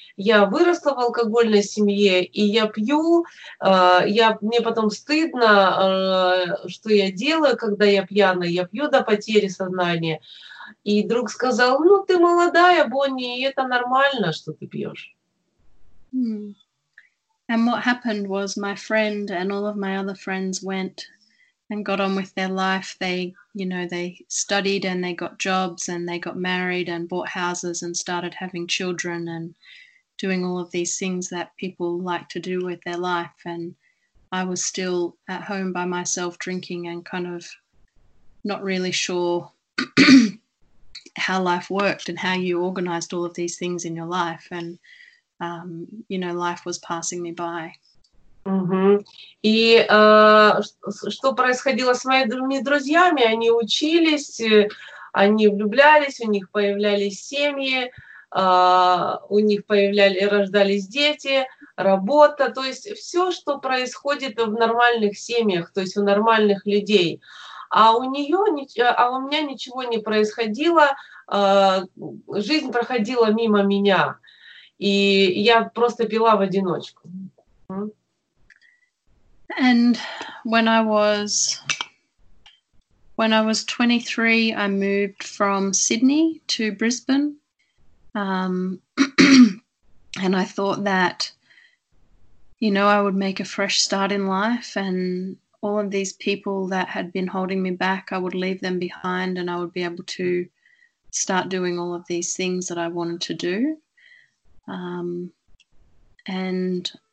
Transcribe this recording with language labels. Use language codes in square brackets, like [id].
[ru] Я выросла в алкогольной семье, и я пью. Мне потом стыдно, что я делаю, когда я пьяная. Я пью до потери сознания. И друг сказал, ну, ты молодая, Бонни, и это нормально, что ты пьешь. [en] And what happened was my friend and all of my other friends went and got on with their life. They, you know, they studied and they got jobs and they got married and bought houses and started having children and doing all of these things that people like to do with their life, and I was still at home by myself drinking and kind of not really sure how life worked and how you organized all of these things in your life, and you know, life was passing me by. [ru] И что происходило с моими друзьями? Они учились, они влюблялись, у них появлялись семьи, у них появлялись, рождались дети, работа, то есть все, что происходит в нормальных семьях, то есть у нормальных людей. А у нее, а у меня ничего не происходило, жизнь проходила мимо меня, и я просто пила в одиночку. [en] And when I was 23, I moved from Sydney to Brisbane, and I thought that, you know, I would make a fresh start in life, and all of these people that had been holding me back, I would leave them behind, and I would be able to start doing all of these things that I wanted to do, and